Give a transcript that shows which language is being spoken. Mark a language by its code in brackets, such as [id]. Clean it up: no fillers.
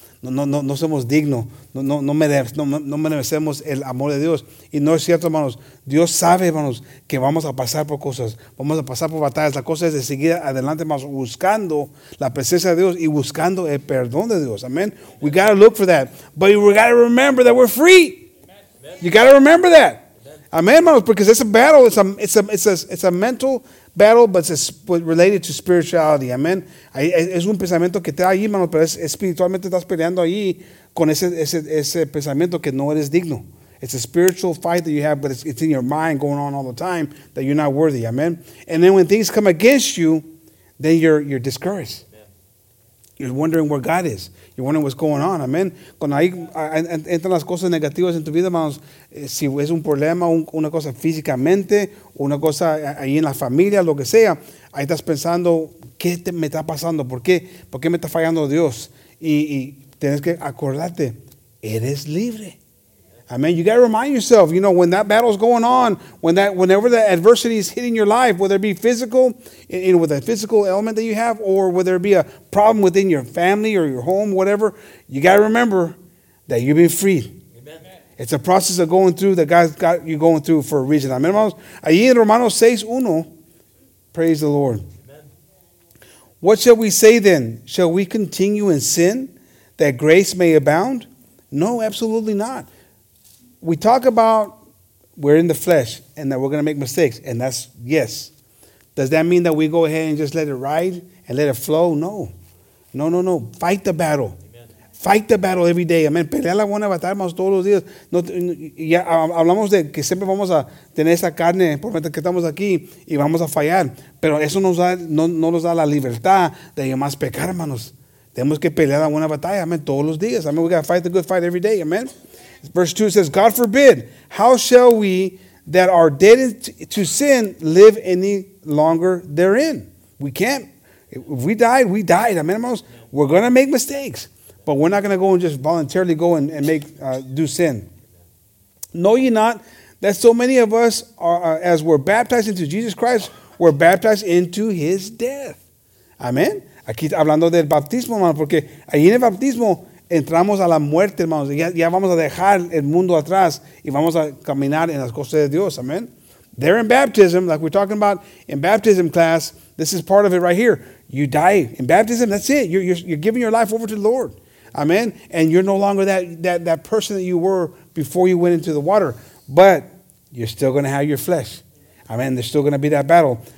[es] No somos dignos. No merecemos el amor de Dios. Y no es cierto, hermanos. Dios sabe, hermanos, que vamos a pasar por cosas. Vamos a pasar por batallas. La cosa es de seguir adelante, hermanos, buscando la presencia de Dios y buscando el perdón de Dios. [en] Amen. We got to look for that. But we got to remember that we're free. Amen. You got to remember that. Amen, hermanos, because it's a battle. It's a mental battle, but it's related to spirituality. Amen. [es] Es un pensamiento que está ahí, hermano, pero espiritualmente estás peleando ahí con ese pensamiento que no eres digno. [en] It's a spiritual fight that you have, but it's in your mind going on all the time that you're not worthy. Amen. And then when things come against you, then you're discouraged. You're wondering where God is. You're wondering what's going on. Amen. [es] Cuando ahí entran las cosas negativas en tu vida, hermanos, si es un problema, una cosa físicamente, una cosa ahí en la familia, lo que sea, ahí estás pensando, ¿qué me está pasando? ¿Por qué? ¿Por qué me está fallando Dios? Y tienes que acordarte, eres libre. Amen. [en] You got to remind yourself, you know, when that battle's going on, whenever the adversity is hitting your life, whether it be physical, you know, with a physical element that you have, or whether it be a problem within your family or your home, whatever, you got to remember that you've been freed. Amen. It's a process of going through that God's got you going through for a reason. [es] Amen, hermanos. Allí en Romanos 6:1, [en] praise the Lord. [es] Amen. [en] What shall we say then? Shall we continue in sin that grace may abound? No, absolutely not. We talk about we're in the flesh and that we're going to make mistakes, and that's yes. Does that mean that we go ahead and just let it ride and let it flow? No. No, no, no. Fight the battle. Amen. Fight the battle every day. Amen. [es] Pelear la buena batalla, hermanos, todos los días. No, ya hablamos de que siempre vamos a tener esa carne por mientras que estamos aquí y vamos a fallar. Pero eso no nos da la libertad de más pecar, hermanos. Tenemos que pelear la buena batalla, amen, todos los días. [en] Amen. We got to fight the good fight every day. Amen. Verse 2 says, God forbid, how shall we that are dead to sin live any longer therein? We can't. If we died, we died. Amen, hermanos. We're going to make mistakes, but we're not going to go and just voluntarily go and make do sin. Know ye not that so many of us, as were baptized into Jesus Christ, were baptized into his death? Amen. [es] Aquí hablando del bautismo, hermanos, porque ahí en el bautismo entramos a la muerte, hermanos. Ya vamos a dejar el mundo atrás y vamos a caminar en las cosas de Dios. Amen. [en] There in baptism, like we're talking about in baptism class, this is part of it right here. You die in baptism. That's it. You're giving your life over to the Lord. Amen. And you're no longer that person that you were before you went into the water. But you're still going to have your flesh. Amen. There's still going to be that battle.